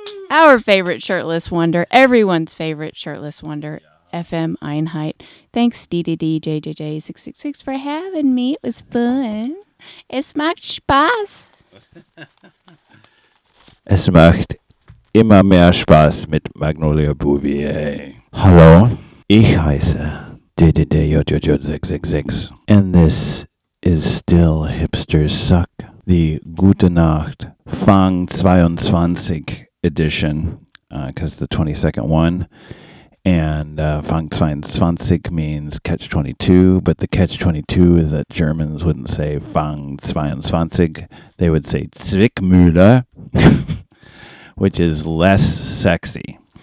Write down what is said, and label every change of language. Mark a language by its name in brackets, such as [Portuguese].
[English] Our favorite shirtless wonder. Everyone's favorite shirtless wonder. FM Einheit. Thanks, DDDJJJ666, for having me. It was fun. [German] Es macht Spaß. Es macht immer mehr Spaß mit Magnolia Bouvier. Hallo, ich heiße DDDJJJ666. [English] And this is still Hipster Suck, the Gute Nacht Fang 22 edition, because the 22nd one. And Fang 22 means catch 22, but the catch 22 is that Germans wouldn't say Fang 22, they would say Zwickmühle, which is less sexy.